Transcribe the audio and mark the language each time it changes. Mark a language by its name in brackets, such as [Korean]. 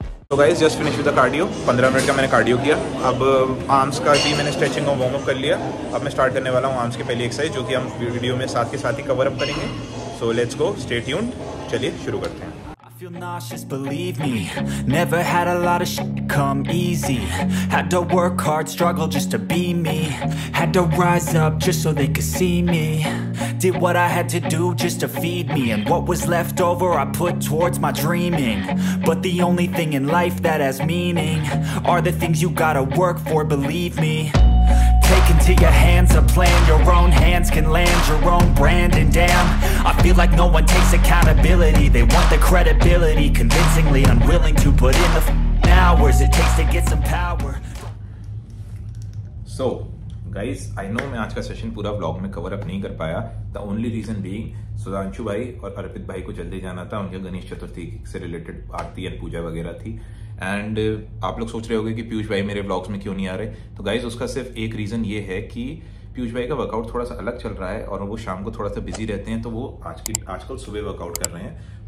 [Hindi] तो [English] guys, just finish with the cardio, [Hindi] 15 minute का मैंने कार्डियो किया। अब आर्म्स का भी मैंने स्ट्रेचिंग और वार्म अप कर लिया। अब मैं स्टार्ट करने वाला हूँ आर्म्स की पहली एक्सरसाइज, जो कि हम वीडियो में साथ के साथ ही कवर अप करेंगे। [English] so let's go, stay tuned, [Hindi] चलिए शुरू करते हैं। [English] Feel nauseous, believe me. Never had a lot of shit come easy. Had to work hard, struggle just to be me. Had to rise up just so they could see me. Did what I had to do just to feed me. And what was left over I put towards my dreaming. But the only thing in life that has meaning are the things you gotta work for, believe me. Into your hands a plan, your own hands can land your own brand. And damn, I feel like no one takes accountability. They want the credibility, convincingly unwilling to put in the hours it takes to get some power. So guys, I know [Hindi] मैं आज का session पूरा vlog में cover up नहीं कर पाया। [English] The only reason being, [Hindi] Sudhanshu भाई और अर्पित भाई को जल्दी जाना था, उनके गणेश चतुर्थी से रिलेटेड आरती और पूजा वगैरह थी। एंड आप लोग सोच रहे होंगे कि पीयूष भाई मेरे व्लॉग्स में क्यों नहीं आ रहे, तो गाइज उसका सिर्फ एक रीज़न ये है कि पीयूष भाई का वर्कआउट थोड़ा सा अलग चल रहा है और वो शाम को थोड़ा सा बिजी रहते हैं, तो वो आजकल सुबह वर्कआउट कर रहे हैं।